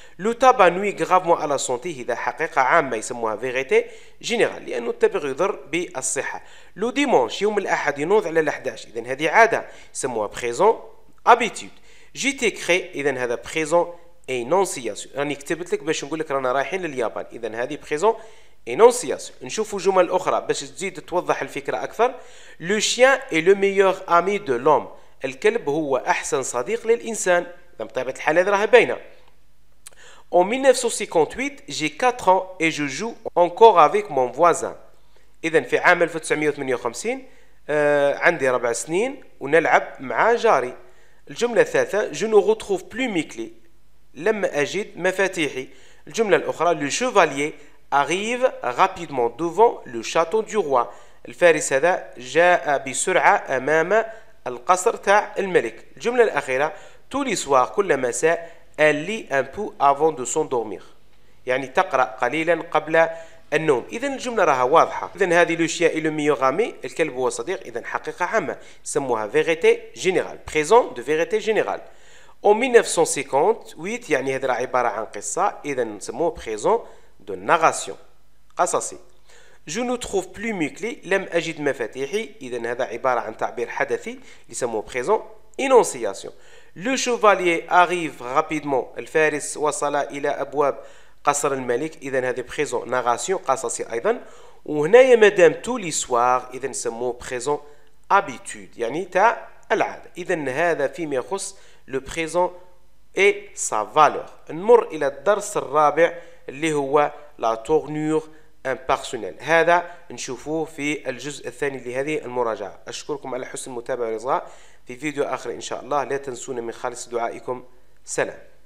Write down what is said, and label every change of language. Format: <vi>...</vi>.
<fr>le tabac nuit gravement à la santé</fr> <ar>هذا حقيقة عامة يسموها vérité générale لأنه التبغ يضر بالصحة</ar> <fr>le dimanche</fr> <ar>يوم الأحد ينوض على 11 إذن هذه عادة يسموها présent habitude</ar> <fr>j'ai écrit</fr> <ar>إذن هذا présent énonciation راني كتبت لك باش نقول لك رانا رايحين لليابان إذن هذه présent énonciation نشوفوا جمل أخرى باش تزيد توضح الفكرة أكثر</ar> <fr>le chien est le meilleur ami de l'homme</fr> <ar>الكلب هو أحسن صديق للإنسان إذا بطبيعة الحال هذه راهي باينة.</ar> <fr>En 1958 j'ai 4 ans et je joue encore avec mon voisin.</fr> <ar>إذا في عام 1958 عندي 4 سنين ونلعب مع جاري. الجملة الثالثة</ar> <fr>je ne retrouve plus mes clés.</fr> <ar>لم أجد مفاتيحي. الجملة الأخرى</ar> <fr>le chevalier arrive rapidement devant le château du roi.</fr> <ar>الفارس هذا جاء بسرعة أمام القصر تاع الملك الجملة الأخيرة</ar> <fr>tous les soirs</fr> <ar>كل مساء</ar> <fr>elle lit un peu avant de s'endormir</fr> <ar>يعني تقرأ قليلا قبل النوم إذن الجملة راها واضحة إذن هذه</ar> <fr>le chien est le meilleur ami</fr> <ar>الكلب هو صديق إذن حقيقة عامة سموها vérité générale présent de vérité générale en 1958 يعني هذا عبارة عن قصة إذن سموه présent de narration قصصي</ar> <fr>Je ne trouve plus mes clés.</fr> <ar>لم أجد مفاتيحي. إذن هذا عبارة عن تعبير حدثي. يسموه</ar> <fr>présent énonciation. Le chevalier arrive rapidement.</fr> <ar>الفارس وصل إلى أبواب قصر الملك. إذن هذا présent narration قصصي أيضا. وهنا يا مدام</ar> <fr>tous les soirs.</fr> <ar>إذن يسموه présent habitude. يعني تاع العادة. إذن هذا فيما يخص</ar> <fr>le présent et sa valeur.</fr> <ar>نمر إلى الدرس الرابع اللي هو la tournure impersonnelle. هذا نشوفوه في الجزء الثاني لهذه المراجعة. أشكركم على حسن المتابعة والإصغاء. في فيديو آخر إن شاء الله لا تنسون من خالص دعائكم. سلام.</ar>